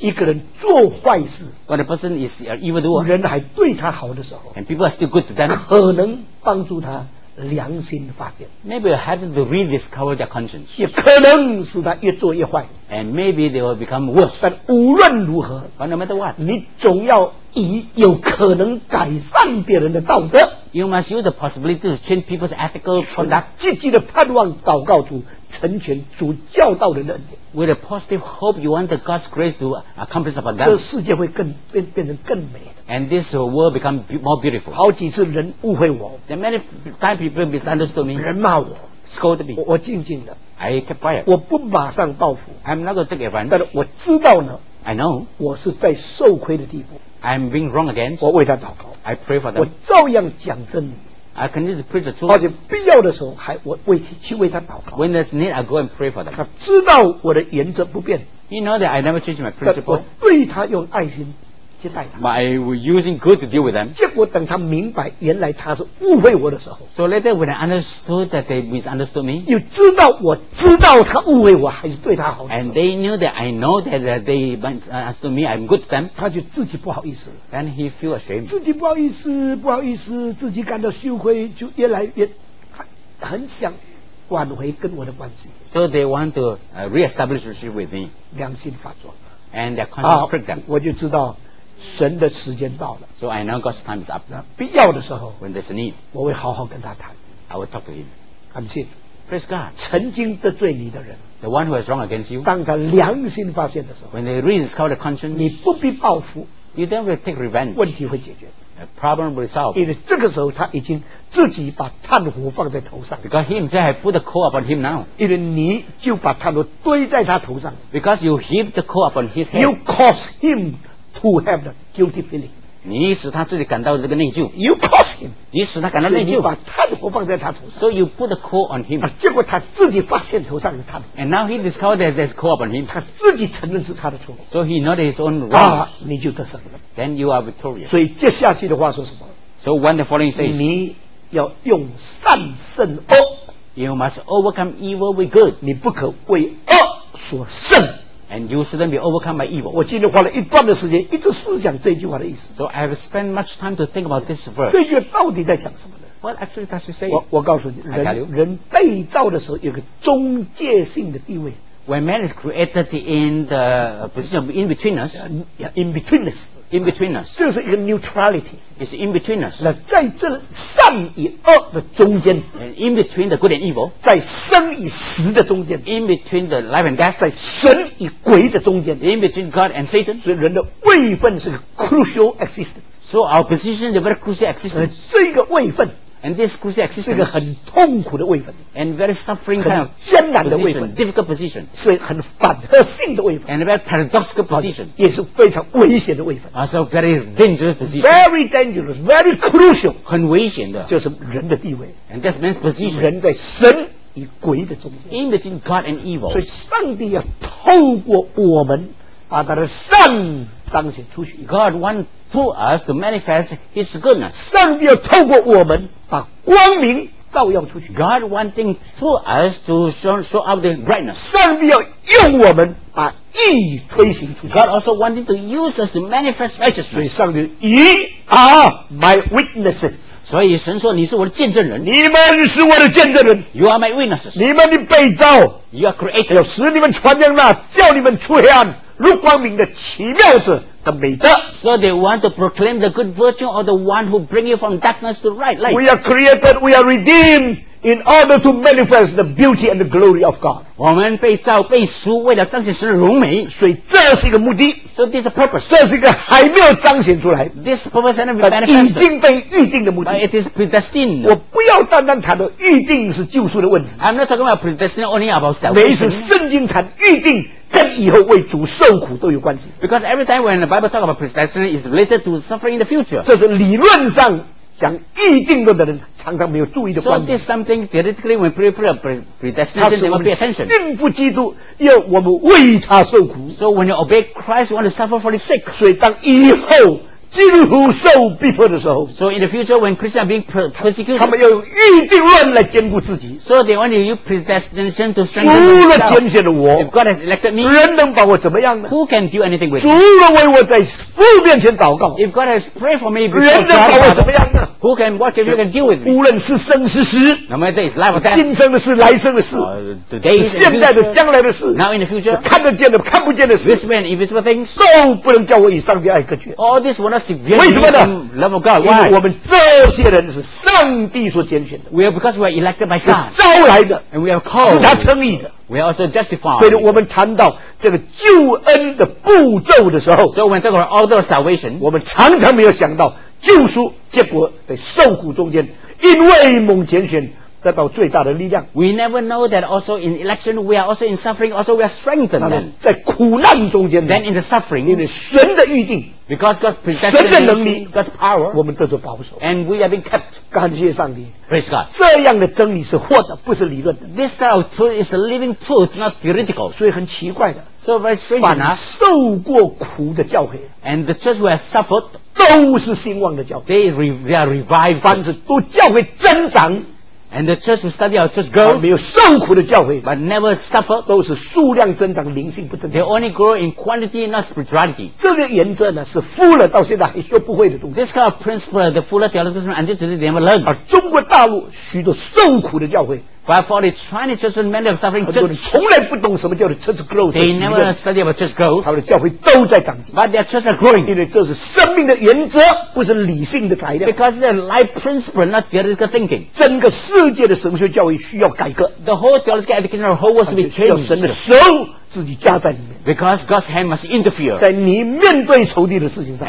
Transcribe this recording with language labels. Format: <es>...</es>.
<zh>一个人做坏事</zh> <en>，when a person is evil doer,</en> <zh>人还对他好的时候</zh> <en>，and people are still good to them,</en> <zh>可能帮助他良心发现。</zh> <en>Maybe they have to rediscover their conscience.</en> <zh>也可能使他越做越坏。</zh> <en>And maybe they will become worse.</en> <zh>但无论如何</zh> <en>，but no matter what,</en> <zh>你总要以有可能改善别人的道德。</zh> <en>You must use the possibility to change people's ethical conduct.</en> <zh>积极的盼望祷告主成全主教导人的恩典。</zh> <en>With a positive hope, you want the God's grace to accomplish upon them.</en> <zh>这世界会更变成更美。</zh> <en>And this world become more beautiful.</en> <zh>好几次人误会我。</zh> <en>There many times people misunderstood me.</en> <zh>人骂我。</zh> <en>Scold me.</en> <zh>我静静的。</zh> <en>I kept quiet.</en> <zh>我不马上报复。</zh> <en>I'm not going to take advantage.</en> <zh>但是我知道呢。</zh> <en>I know.</en> <zh>我是在受亏的地步。</zh> <en>I'm being wrong against.</en> <zh>我为他祷告。</zh> <en>I pray for them.</en> <zh>我照样讲真理。</zh> <en>I continue to preach the truth.</en> <zh>而且必要的时候还我为去为他祷告。</zh> <en>When there's need, I go and pray for them.</en> <zh>他知道我的原则不变。</zh> <en>He knows that I never change my principle.</en> <zh>我对他用爱心接待他。</zh> <en>But I was using good to deal with them.</en> <zh>结果等他明白原来他是误会我的时候。</zh> <en>So later when I understood that they misunderstood me.</en> <zh>又知道我知道他误会我还是对他好。</zh> <en>And they knew that I know that they misunderstood me. I'm good to them.</en> <zh>他就自己不好意思。</zh> <en>And he feel ashamed.</en> <zh>自己不好意思，不好意思，自己感到羞愧，就越来越很想挽回跟我的关系。</zh> <en>So they want to reestablish relationship with me.</en> <zh>良心发作。</zh> <en>And their conscience pricked them.</en> <zh>我就知道神的时间到了。</zh> <en>So I know God's time is up.</en> <zh>必要的时候</zh> <en>，When there's a need,</en> <zh>我会好好跟他谈。</zh> <en>I will talk to him.</en> <zh>感谢。</zh> <en>Praise God.</en> <zh>曾经得罪你的人</zh> <en>，The one who has wronged against you.</en> <zh>当他良心发现的时候</zh> <en>，When they rediscover the conscience,</en> <zh>你不必报复。</zh> <en>You then will take revenge.</en> <zh>问题会解决。</zh> <en>A problem resolved.</en> <zh>因为这个时候他已经自己把炭火放在头上。</zh> <en>Because he himself has put the coal upon him now.</en> <zh>因为你就把炭火堆在他头上。</zh> <en>Because you heap the coal upon his head. You cause him to have the guilty feeling.</en> <zh>你使他自己感到这个内疚。</zh> <en>You cause him.</en> <zh>你使他感到内疚。所以你把炭火放在他头上。</zh> <en>So you put the coal on him.</en> <zh>结果他自己发现头上有炭火。</zh> <en>And now he discovered that there's coal upon him.</en> <zh>他自己承认是他的错误。</zh> <en>So he noted his own wrong.</en> <zh>你就得胜了。</zh> <en>Then you are victorious.</en> <zh>所以接下去的话说什么？</zh> <en>So when the following says,</en> <zh>你要用善胜恶。</zh> <en>You must overcome evil with good.</en> <zh>你不可为恶所胜。</zh> <en>And you shouldn't be overcome by evil.</en> <zh>我今天花了一段的时间一直思想这句话的意思。</zh> <en>So I have spent much time to think about this verse.</en> <zh>这句到底在讲什么呢？</zh> <en>What actually does it say?</en> <zh>我告诉你， 人被造的时候有个中介性的地位。</zh> <en>When man is created in the position of in between us, in between us. In between us.</en> <zh>这是一个</zh> <en>neutrality. It's in between us.</en> <zh>那在这善与恶的中间</zh> <en>In between the good and evil.</en> <zh>在生与死的中间</zh> <en>In between the life and death.</en> <zh>在神与鬼的中间</zh> <en>In between God and Satan.</en> <zh>所以人的位分是个</zh> <en>crucial existence. So our position is a very crucial existence.</en> <zh>这个位分</zh> <en>And this crucial existence.</en> <zh>是个很痛苦的位分</zh> <en>And very suffering kind of</en> <zh>艰难的位分</zh> <en>Difficult position.</en> <zh>所以很反合性的位分</zh> <en>And a very paradoxical position.</en> <zh>也是非常危险的位分</zh> <en>Also very dangerous position. Very dangerous, very crucial.</en> <zh>很危险的就是人的地位</zh> <en>And that's man's position.</en> <zh>人在神与鬼的中间</zh> <en>In between God and evil.</en> <zh>所以上帝要透过我们把他的善彰显出去</zh> <en>God wants to us to manifest his goodness.</en> <zh>上帝要透过我们把光明照耀出去</zh> <en>God wanting for us to show out the brightness</en> <zh>上帝要用我们把义推行出去</zh> <en>God also wanting to use us to manifest righteousness</en> <zh>所以上帝</zh> <en>You are my witnesses</en> <zh>所以神说你是我的见证人你们是我的见证人</zh> <en>You are my witnesses</en> <zh>你们的被造</zh> <en>You are created</en> <zh>要使你们传扬那叫你们出黑暗入光明的奇妙者的美德</zh> <en>So they want to proclaim the good virtue of the one who bring you from darkness to light We are created, we are redeemed in order to manifest the beauty and the glory of God</en> <zh>我们被造被赎为了彰显神的荣美所以这是一个目的</zh> <en>So this is a purpose</en> <zh>这是一个还没有彰显出来</zh> <en>This purpose has been manifested</en> <zh>已经被预定的目的</zh> <en>But it is predestined</en> <zh>我不要单单谈到预定是救赎的问题</zh> <en>I'm not talking about predestined only about salvation</en> <zh>每一次圣经谈预定跟以后为主受苦都有关系</zh> <en>Because every time when the Bible talks about predestination is related to suffering in the future</en> <zh>这是理论上讲预定论的人常常没有注意的观点</zh> <en>So this is something theoretically when people are predestination they will pay attention</en> <zh>他是我们信服基督要我们为他受苦</zh> <en>So when you obey Christ you want to suffer for his sake</en> <zh>所以当以后基督徒受逼迫的时候</zh> <en>So in the future when Christians are being persecuted</en> <zh>他们要用预定论来坚固自己</zh> <en>So they want to use predestination to strengthen themselves</en> <zh>除了拣选的我</zh> <en>If God has elected me</en> <zh>人能把我怎么样呢</zh> <en>Who can do anything with me</en> <zh>除了为我在父面前祷告</zh> <en>If God has prayed for me</en> <zh>人能把我怎么样呢</zh> <en>Who can, what can you can deal with me</en> <zh>无论是生是死</zh> <en>No matter is life or death</en> <zh>今生的事来生的事</zh> <en>today is</en> <zh>现在的将来的事</zh> <en>Now in the future</en> <zh>看得见的看不见的事</zh> <en>This man invisible things</en> <zh>都不能叫我与上帝爱隔绝</zh> <en>All this will not</en> <zh>为什么呢？因为我们这些人是上帝所拣选的</zh> <en>We are because we are elected by God</en> <zh>招来的</zh> <en>And we are called</en> <zh>是他称义的</zh> <en>We are also justified</en> <zh>所以我们谈到这个救恩的步骤的时候</zh> <en>So when we talk about order of salvation</en> <zh>我们常常没有想到救赎结果在受苦中间因为蒙拣选得到最大的力量</zh> <en>We never know that also in election We are also in suffering Also we are strengthened</en> <zh>在苦难中间</zh> <en>Then in the suffering</en> <zh>因为神的预定</zh> <en>Because God possesses</en> <zh>神的能力</zh> <en>God's power</en> <zh>我们得到保守</zh> <en>And we have been kept</en> <zh>感谢上帝</zh> <en>Praise God</en> <zh>这样的真理是活的不是理论的</zh> <en>This kind of truth is a living truth Not theoretical</en> <zh>所以很奇怪的</zh> <en>So very strange</en> <zh>反受过苦的教会</zh> <en>And the church who has suffered</en> <zh>都是兴旺的教会</zh> <en>They are revived</en> <zh>凡是都教会增长</zh> <en>And the church who study our church grow</en> <zh>没有受苦的教会</zh> <en>But never suffer</en> <zh>都是数量增长灵性不增长</zh> <en>They only grow in quantity not spirituality</en> <zh>这个原则呢是富了到现在还学不会的东西</zh> <en>This kind of principle the fuller theological system until today they never learn</en> <zh>而中国大陆许多受苦的教会</zh> <en>But for the Chinese churches, many of suffering churches,</en> <zh>很多人从来不懂什么叫做</zh> <en>church growth。 They never study about church growth。</en> <zh>他们的教会都在长。</zh> <en>But their churches are growing。</en> <zh>因为这是生命的原则，不是理性的材料。</zh> <en>Because the life principle, not theoretical thinking。</en> <zh>整个世界的神学教育需要改革。</zh> <en>The whole theological education of whole world should be changed。</en> <zh>需要神的手自己加在里面。</zh> <en>Because God's hand must interfere。</en> <zh>在你面对仇敌的事情上。</zh>